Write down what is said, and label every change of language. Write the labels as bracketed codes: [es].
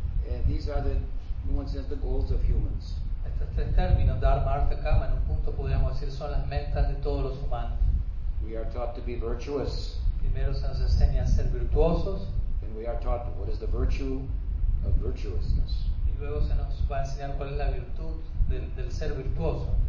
[en] And these are the, in one sense, the goals of humans. [es] Estos tres términos, dharma, artha, kama, en un punto podríamos decir son las metas de todos los humanos. [en] We are taught to be virtuous. [es] Primero se nos enseña a ser virtuosos. [en] And we are taught what is the virtue of virtuousness. [es] Y luego se nos va a enseñar cuál es la virtud del ser virtuoso.